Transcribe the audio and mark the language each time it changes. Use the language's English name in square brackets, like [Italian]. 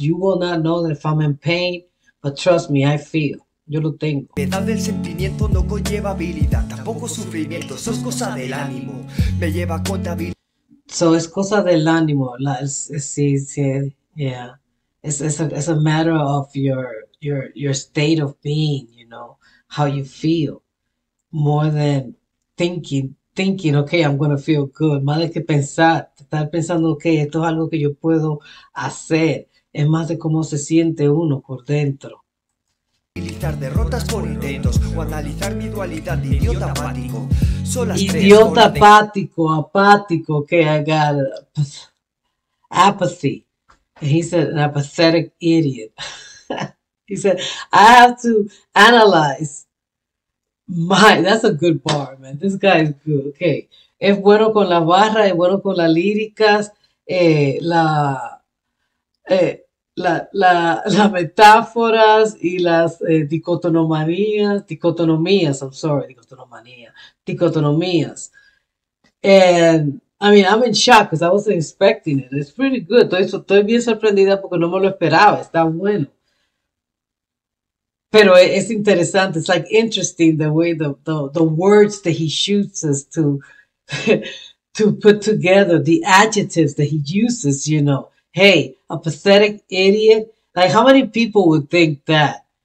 [English] You will not know that if I'm in pain, but trust me, I feel. [Spanish] Yo lo tengo. El sentimiento no conlleva habilidad, tampoco sufrimiento, eso es cosa del ánimo, me lleva a contabilidad. So es cosa del ánimo. Sí. Yeah. [English] It's a matter of your state of being, you know, how you feel, more than thinking. Thinking, okay, I'm gonna feel good. [Spanish] Más de que pensar, estar pensando, okay, esto es algo que yo puedo hacer. Es más de cómo se siente uno por dentro. Derrotas por intentos o analizar mi dualidad de idiota apático. Son las 3 Idiota horas de. apático, apático, [English] okay, I got it. Apathy. And he said, an apathetic idiot. He said, I have to analyze. My, that's a good bar, man. This guy is good. Okay. [Spanish] Es bueno con la barra, es bueno con las líricas, las metáforas y las dicotonomías. Dicotonomías. [English] And I mean, I'm in shock because I wasn't expecting it. It's pretty good. [Spanish] Estoy bien sorprendida porque no me lo esperaba. Está bueno. Pero es interesante, [English] it's like interesting the way the words that he shoots us to put together, the adjectives that he uses, you know. Hey, a pathetic idiot. Like, how many people would think that?